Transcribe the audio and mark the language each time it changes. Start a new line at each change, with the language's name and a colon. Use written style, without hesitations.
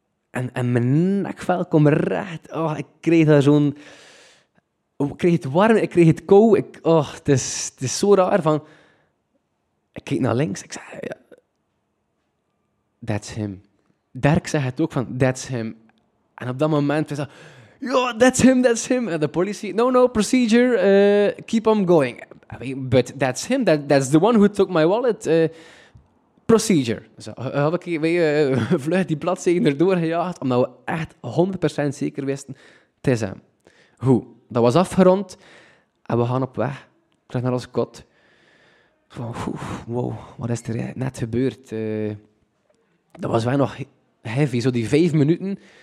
Dutch: En mijn nekvel komt recht. Ik kreeg daar zo'n... Ik kreeg het warm, ik kreeg het kou. Het is zo raar van... Ik keek naar links. Ik zeg, ja,
English: that's him.
Dutch: Dirk zegt het ook van,
English: that's him.
Dutch: En op dat moment, we zeggen,
English: yo, that's him, that's him.
Dutch: En de politie,
English: no, no, procedure, keep on going. I mean, but that's him, that's the one who took my wallet. Procedure.
Dutch: Zo, heb ik vlug die bladzijden erdoor gejaagd, omdat we echt 100% zeker wisten, het is hem. Hoe? Dat was afgerond, en we gaan op weg, terug naar ons kot. Van, wow, wat is er net gebeurd? Dat was wel nog heavy, zo die 5 minuten.